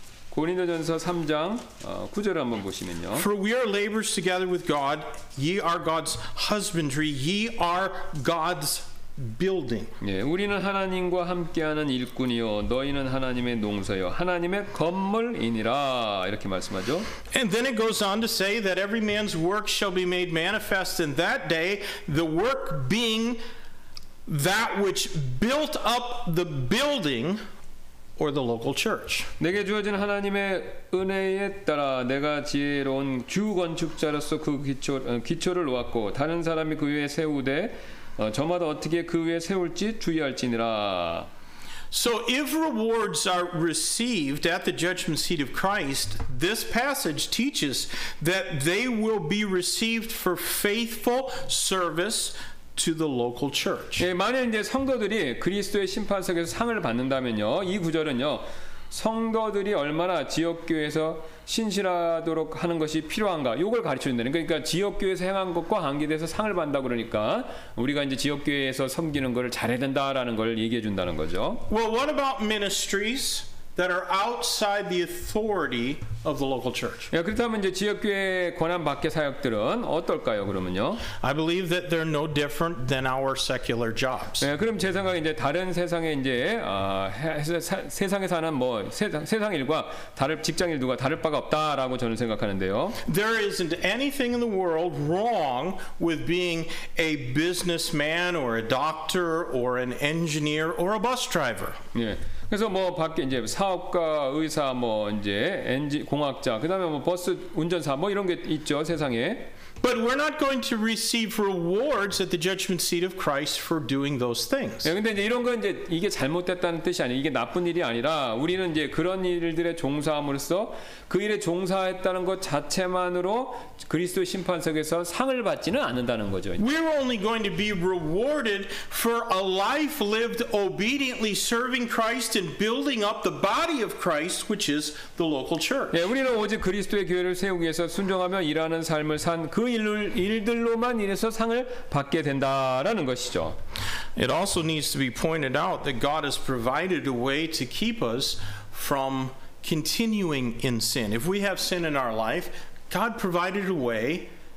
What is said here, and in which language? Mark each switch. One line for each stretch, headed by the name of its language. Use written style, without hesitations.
Korean: 고린도전서 3장 9절을 한번 보시면요.
English: For we are laborers together with God, ye are God's husbandry, ye are God's building.
Korean: 예, 우리는 하나님과 함께하는 일꾼이요, 너희는 하나님의 농사요, 하나님의 건물이니라 이렇게 말씀하죠.
English: And then it goes on to say that every man's work shall be made manifest in that day, the work being that which built up the building. Or the local church.
Korean: 내게 주어진 하나님의 은혜에 따라 내가 지혜로운 주 건축자로서 그 기초를 놓았고 다른 사람이 그 위에 세우되 저마다 어떻게 그 위에 세울지 주의할지니라.
English: So if rewards are received at the judgment seat of Christ, this passage teaches that they will be received for faithful service to the local church.
Korean: 예, 만약 이제 성도들이 그리스도의 심판석에서 상을 받는다면요, 이 구절은요, 성도들이 얼마나 지역교회에서 신실하도록 하는 것이 필요한가, 이걸 가르쳐준다는. 그러니까 지역교회에서 행한 것과 관계돼서 상을 받는다 그러니까 우리가 이제 지역교회에서 섬기는 것을 잘해야 된다라는 걸 얘기해 준다는 거죠.
English: Well, what about ministries that are outside the authority of the local church?
Korean: 예, 그렇다면 이제 지역교회 권한 밖의 사역들은 어떨까요? 그러면요.
English: I believe that they're no different than our secular jobs.
Korean: 예, 그럼 제 생각에 이제 다른 세상에 이제 세상에 사는 뭐 세상 일과 다른 직장 일과 다를 바가 없다라고 저는 생각하는데요.
English: There isn't anything in the world wrong with being a businessman or a doctor or an engineer or a bus driver.
Korean: 예. 그래서 뭐 밖에 이제 사업가, 의사, 뭐 이제 엔지 공학자, 그다음에 뭐 버스 운전사 뭐 이런 게 있죠, 세상에.
English: But we're not going to receive rewards at the judgment seat of Christ for doing those things.
Korean: 예, 근데 이제 이런 건 이제 이게 잘못됐다는 뜻이 아니에요. 이게 나쁜 일이 아니라 우리는 이제 그런 일들에 종사함으로써 그 일에 종사했다는 것 자체만으로 그리스도의 심판석에서 상을 받지는 않는다는 거죠. 이제.
English: We're only going to be rewarded for a life lived obediently serving Christ and building up the body of Christ, which is the local church.
Korean: 예, 우리는 오직 그리스도의 교회를 세우기 위해서 순종하며 일하는 삶을 산 그 일들로만 인해서 상을 받게 된다라는 것이죠.
English: It also needs to be pointed out that God has provided a way to keep us from continuing in sin. If we have sin in our life, God provided a way